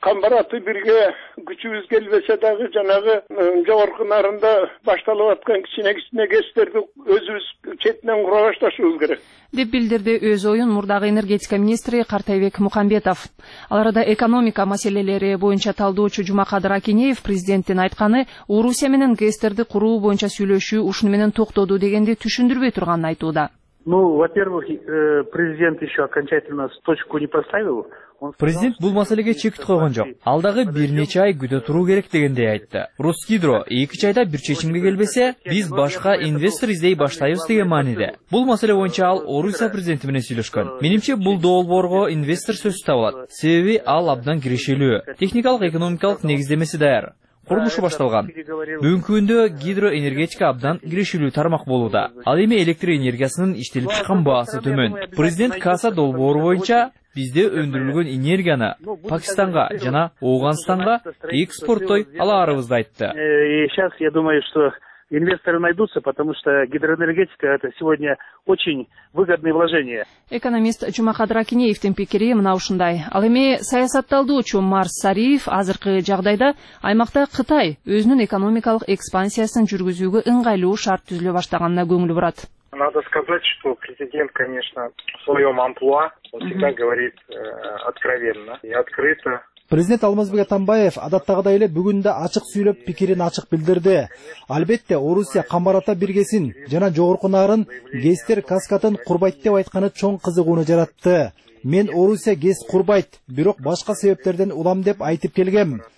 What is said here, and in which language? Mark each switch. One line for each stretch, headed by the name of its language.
Kyrgyz: Камбараты бирге күчүбүз келбесе дагы жанагы жогорку нарында башталып аткан кичине кичине гестерди өзүбүз четинен кура башташыбыз керек, деп билдирди өз оюн мурдагы энергетика министри Картайбек Мухамбетов. Ал арада экономика маселелери боюнча талдоочу Жумакадыр Акинеев президенттин айтканы Орусия менен гестерди куруу боюнча сүйлөшүү ушуну менен токтоду дегенди түшүндүрбөй турганын айтууда.
Russian: Ну, во-первых, президент еще окончательно точку не поставил.
Kyrgyz: Президент бул маселеге чекит койгон жок. Алдагы бир нече ай күтө туруу керек дегендей айтты. Росгидро 2 айда бир чечимге келбесе, биз башка инвестор издей баштайбыз деген мааниде. Бул маселе боюнча ал Орусия президенти менен сүйлөшкөн. Менимче бул долбоорго инвестор сөзсүз табылат. Себеби ал абдан кирешелүү. Техникалык экономикалык негиздемеси даяр. Курулушу башталган. Бүгүнкү күндө гидроэнергетика абдан кирешилүү тармак болууда. Ал эми электр энергиясынын иштелип чыккан баасы төмөн. Президент КАСА долбоору боюнча бизде өндүрүлгөн энергияны Пакистанга жана Ооганстанга экспорттой алаарыбызды айтты.
Russian: Сейчас я думаю, что инвесторы найдутся, потому что гидроэнергетика это сегодня очень выгодное вложение.
Kyrgyz: Экономист Жумакадыр Акинеевтин пикири мына ушундай. Ал эми саясатталдоочу Марс Сариев азыркы жагдайда аймакта Кытай өзүнүн экономикалык экспансиясын жүргүзүүгө ыңгайлуу шарт түзүлө баштаганына көңүл бурат.
Russian: Надо сказать, что президент, конечно, в своем амплуа, он всегда говорит откровенно и открыто.
Kyrgyz: Президент Алмазбек Атамбаев адаттагыдай эле бүгүн да ачык сүйлөп пикирин ачык билдирди. Албетте, Орусия камбарата биргесин жана жогорку нарын гестер каскатын курбайт деп айтканы чоң кызыгууну жаратты. Мен Орусия гес курбайт, бирок башка себептерден улам деп айтып келгем.